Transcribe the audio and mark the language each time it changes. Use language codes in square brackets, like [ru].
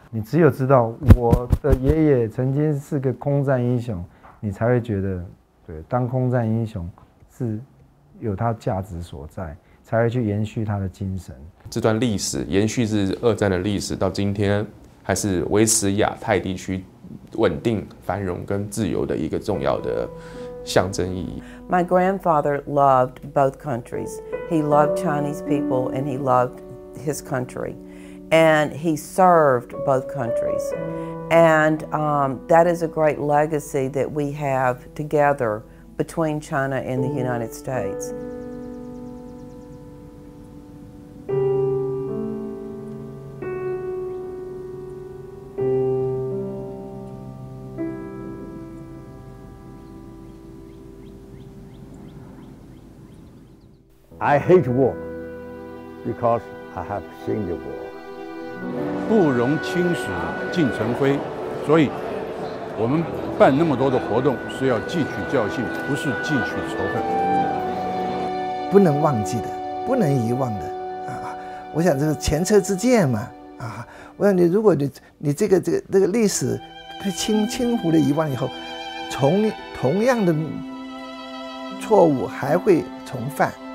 [zh] 你只有知道我的爷爷曾经是个空战英雄，你才会觉得对，当空战英雄是有它价值所在，才会去延续它的精神。这段历史延续自二战的历史到今天，还是维持亚太地区稳定、繁荣跟自由的一个重要的象征意义。 [en] My grandfather loved both countries. He loved Chinese people and he loved his country, and he served both countries. And that is a great legacy that we have together. Between China and the United States. I hate war because I have seen the war. [zh] 不容轻史尽成灰，所以我们办那么多的活动是要汲取教训，不是汲取仇恨。不能忘记的，不能遗忘的啊！我想这个前车之鉴嘛啊！我想你，如果你这个历史被轻忽的遗忘以后，同样的错误还会重犯。